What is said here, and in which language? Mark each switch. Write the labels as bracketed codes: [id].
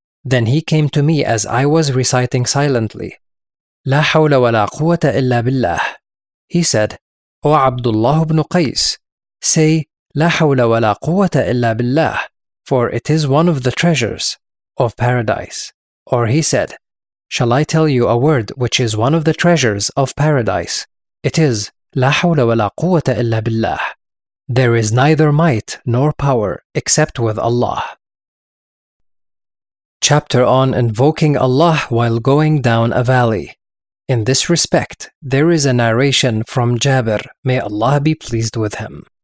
[en] Then he came to me as I was reciting silently, [ar] لا حول ولا قوة إلا بالله. [en] He said, O Abdullah ibn Qais, say, [ar] لا حول ولا قوة إلا بالله, [en] for it is one of the treasures of paradise. Or he said, shall I tell you a word which is one of the treasures of paradise? It is, [ar] لا حول ولا قوة إلا بالله. [en] There is neither might nor power except with Allah. Chapter on Invoking Allah While Going Down a Valley. In this respect, there is a narration from Jabir, may Allah be pleased with him.